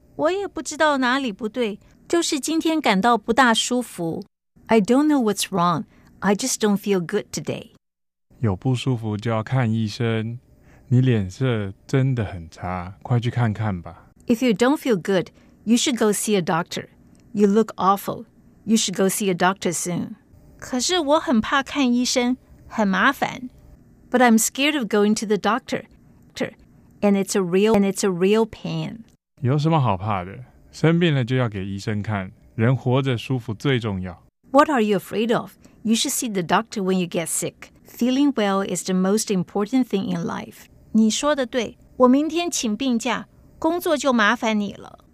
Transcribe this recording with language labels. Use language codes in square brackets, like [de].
[zh] 我也不知道哪里不对，就是今天感到不大舒服。 [en] I don't know what's wrong. I just don't feel good today. [zh] 有不舒服就要看医生。你脸色真的很差，快去看看吧。 [en] If you don't feel good, you should go see a doctor. You look awful. You should go see a doctor soon. [zh] 可是我很怕看医生，很麻烦。 [en] But I'm scared of going to the doctor. And it's a real pain. [zh] 有什么好怕的？生病了就要给医生看，人活着舒服最重要。 [en] What are you afraid of? You should see the doctor when you get sick. Feeling well is the most important thing in life. [zh] 你说的对，我明天请病假，工作就麻烦你了。